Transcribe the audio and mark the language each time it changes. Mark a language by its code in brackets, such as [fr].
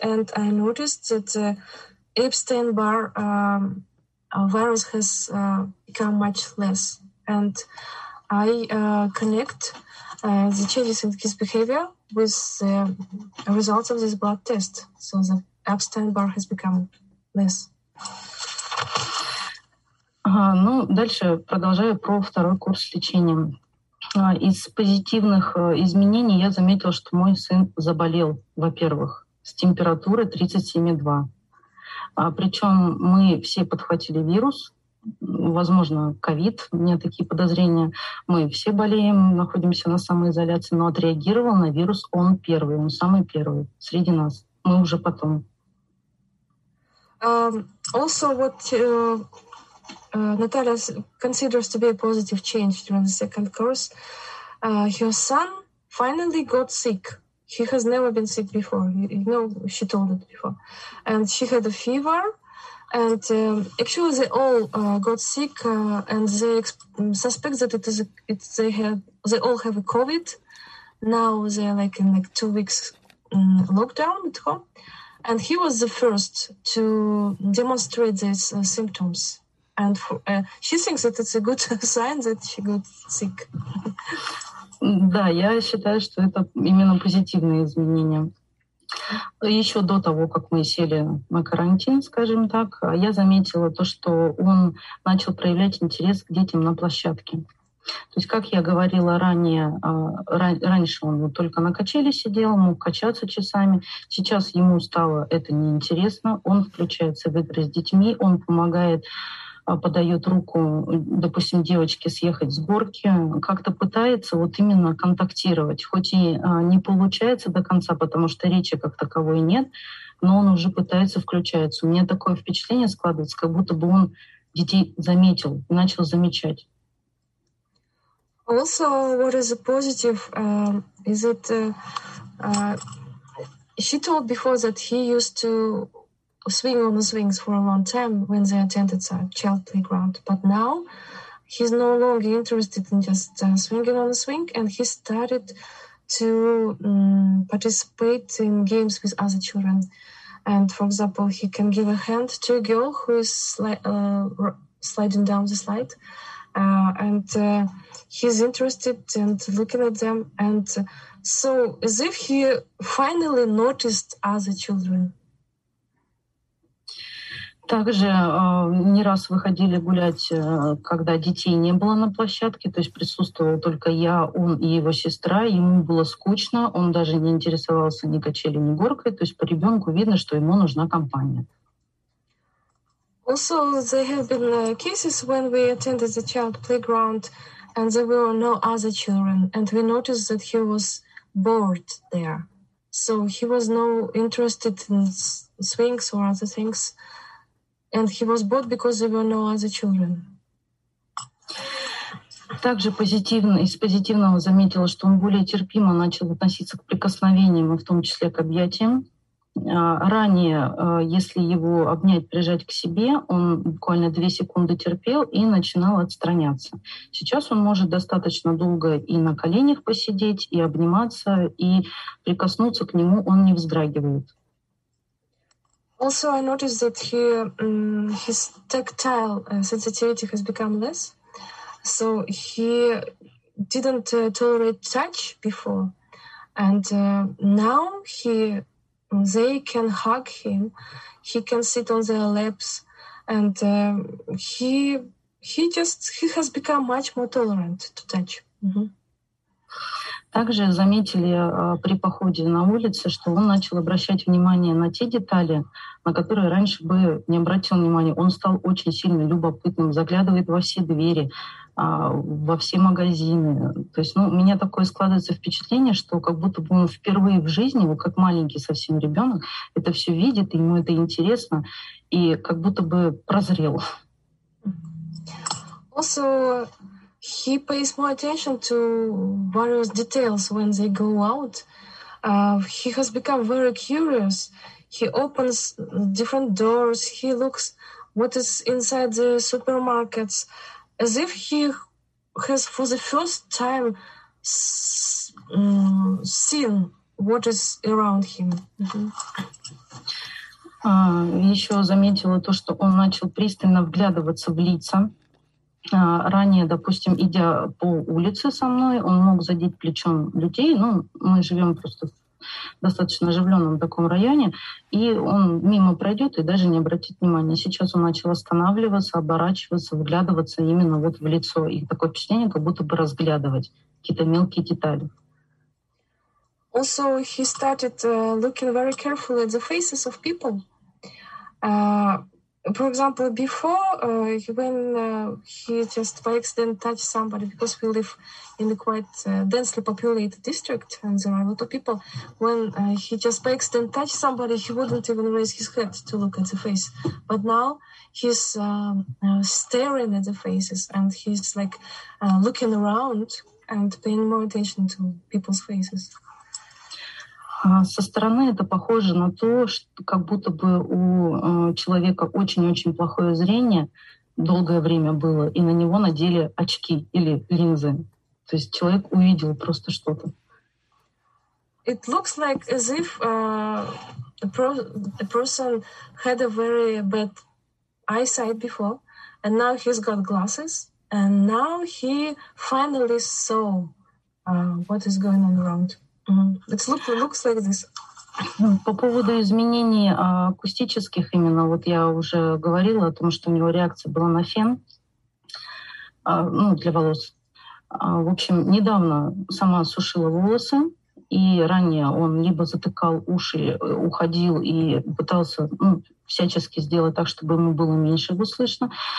[en] And I noticed that the Epstein-Barr virus has become much less. And I connect the changes in his behavior with the results of this blood test, so the Epstein-Barr has become less. [ru] Ну, дальше продолжаю про второй курс лечения. Из позитивных изменений я заметила, что мой сын заболел, во-первых, с температурой 37,2. Причем мы все подхватили вирус, возможно, ковид, у меня такие подозрения. Мы все болеем, находимся на самоизоляции, но отреагировал на вирус он первый, он самый первый среди нас. Мы уже потом. [en] Also, what Natalia considers to be a positive change during the second course, her son finally got sick. He has never been sick before. You know, she told it before. And she had a fever. And actually, they all got sick. And they suspect that they all have a COVID. Now they're like in like 2 weeks lockdown at home. And he was the first to demonstrate these symptoms. And she thinks that it's a good sign that she got sick. [ru] Да, я считаю, что это именно позитивные изменения. Еще до того, как мы сели на карантин, скажем так, я заметила то, что он начал проявлять интерес к детям на площадке. То есть, как я говорила ранее, раньше он только на качели сидел, мог качаться часами. Сейчас ему стало это неинтересно. Он включается в игры с детьми, он помогает, подает руку, допустим, девочке съехать с горки, как-то пытается вот именно контактировать, хоть и не получается до конца, потому что речи как таковой нет, но он уже пытается включаться. У меня такое впечатление складывается, как будто бы он детей заметил, начал замечать. [en] Also, what is a positive is that she told before that he used to swing on the swings for a long time when they attended a child playground, but now he's no longer interested in just swinging on the swing, and he started to participate in games with other children. And for example, he can give a hand to a girl who is sliding down the slide, and he's interested and looking at them, and so as if he finally noticed other children. [ru] Также не раз выходили гулять, когда детей не было на площадке, то есть присутствовал только я, он и его сестра, ему было скучно, он даже не интересовался ни качелью, ни горкой, то есть по ребенку видно, что ему нужна компания. [en] Also, there have been cases when we attended the child playground and there were no other children, and we noticed that he was bored there. So he was no interested in swings or other things. And he was bored because there were no other children. [ru] Также позитивно, из позитивного заметила, что он более терпимо начал относиться к прикосновениям, в том числе к объятиям. ранее, если его обнять, прижать к себе, он буквально 2 секунды терпел и начинал отстраняться. Сейчас он может достаточно долго и на коленях посидеть, и обниматься, и прикоснуться к нему он не вздрагивает. [en] Also, I noticed that he, his tactile sensitivity has become less. So he didn't tolerate touch before. And now he, they can hug him. He can sit on their laps. And he has become much more tolerant to touch. [ru] Также заметили при походе на улице, что он начал обращать внимание на те детали, на которые раньше бы не обратил внимания. Он стал очень сильно любопытным, заглядывает во все двери, во все магазины. То есть, ну, у меня такое складывается впечатление, что как будто бы он впервые в жизни, вот как маленький совсем ребенок, это все видит, ему это интересно, и как будто бы прозрел. [en] Also, he pays more attention to various details when they go out. He has become very curious. He opens different doors. He looks what is inside the supermarkets, as if he has for the first time seen what is around him. [ru] Еще заметила то, что он начал пристально вглядываться в лица. Ранее, допустим, идя по улице со мной, он мог задеть плечом людей. Ну, мы живем просто в достаточно оживленном таком районе, и он мимо пройдет и даже не обратит внимания. Сейчас он начал останавливаться, оборачиваться, вглядываться именно вот в лицо. И такое впечатление, как будто бы разглядывать какие-то мелкие детали. [en] Also, he started looking very carefully at the faces of people. For example, before, when he just by accident touched somebody, because we live in a quite densely populated district and there are a lot of people, when he just by accident touched somebody, he wouldn't even raise his head to look at the face. But now he's staring at the faces and he's like looking around and paying more attention to people's faces. [ru] Со стороны это похоже на то, что как будто бы у человека очень-очень плохое зрение долгое время было, и на него надели очки или линзы. То есть человек увидел просто что-то. [en] It looks like as if a person had a very bad eyesight before, and now he's got glasses, and now he finally saw what is going on around. Looks like this. [ru] По поводу изменений акустических, именно вот я уже говорила о том, что у него реакция была на фен, ну, для волос. В общем, недавно сама сушила волосы, и ранее он либо затыкал уши, уходил и пытался всячески сделать так, чтобы ему было меньше его слышно.